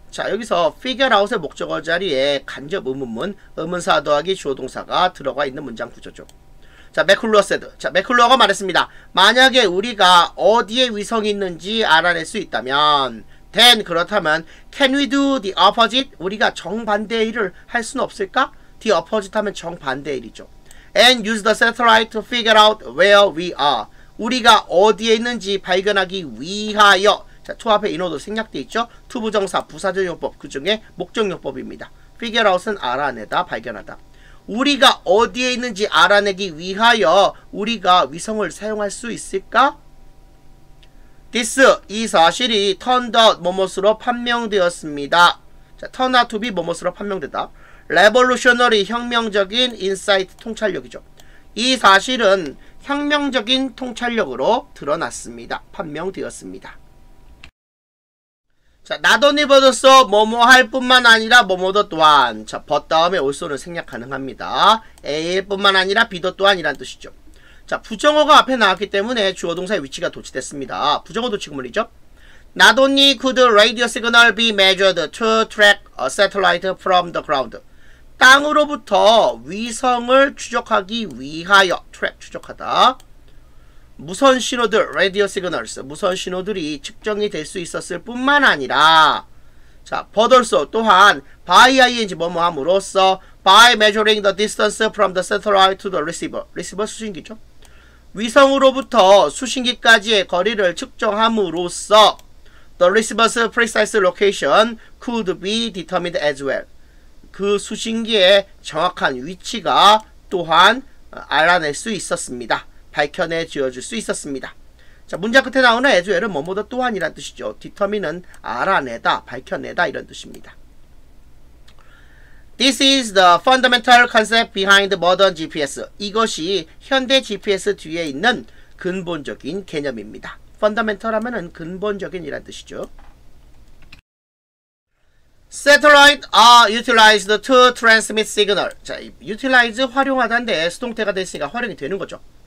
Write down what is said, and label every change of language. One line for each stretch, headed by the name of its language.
Korean: 자, 여기서 figure out의 목적어 자리에 간접 의문문, 의문사 더하기 주어동사가 들어가 있는 문장 구조죠. 자, 맥클루어 said. 자, 맥클루어가 말했습니다. 만약에 우리가 어디에 위성이 있는지 알아낼 수 있다면, then, 그렇다면,
English: can we do the opposite?
Korean: 우리가 정반대의 일을 할 수는 없을까? the opposite 하면 정반대의 일이죠.
English: and use the satellite to figure out where we are.
Korean: 우리가 어디에 있는지 발견하기 위하여. 자, to 앞에 인어도 생략되어 있죠? to 부정사, 부사적용법, 그 중에 목적용법입니다. figure out은 알아내다, 발견하다. 우리가 어디에 있는지 알아내기 위하여 우리가 위성을 사용할 수 있을까? This, 이 사실이 turned out 뭐뭐스로 판명되었습니다. 자, turn out to be 뭐뭐스로 판명되다. Revolutionary, 혁명적인 insight, 통찰력이죠. 이 사실은 혁명적인 통찰력으로 드러났습니다. 판명되었습니다. 자, not only but also 뭐뭐 할 뿐만 아니라 뭐뭐도 또한. 자, but 다음에 also는 생략 가능합니다. A일 뿐만 아니라 B도 또한이란 뜻이죠. 자, 부정어가 앞에 나왔기 때문에 주어동사의 위치가 도치됐습니다. 부정어 도치구문이죠.
English: Not only could radio signal be measured to track a satellite from the ground.
Korean: 땅으로부터 위성을 추적하기 위하여. track, 추적하다. 무선 신호들, radio signals, 무선 신호들이 측정이 될 수 있었을 뿐만 아니라, 자, but also, 또한, by ing, 뭐뭐함으로써,
English: by measuring the distance from the satellite to the receiver.
Korean: receiver 수신기죠? 위성으로부터 수신기까지의 거리를 측정함으로써,
English: the receiver's precise location could be determined as well.
Korean: 그 수신기의 정확한 위치가 또한 알아낼 수 있었습니다. 밝혀내 지어줄 수 있었습니다. 자, 문장 끝에 나오는 as well은 뭐뭐도 또한이란 뜻이죠. determine은 알아내다, 밝혀내다 이런 뜻입니다.
English: This is the fundamental concept behind modern GPS.
Korean: 이것이 현대 GPS 뒤에 있는 근본적인 개념입니다. fundamental 하면은 근본적인이란 뜻이죠.
English: Satellite are utilized to transmit signal.
Korean: 자, utilize 활용하다인데 수동태가 됐으니까 활용이 되는 거죠.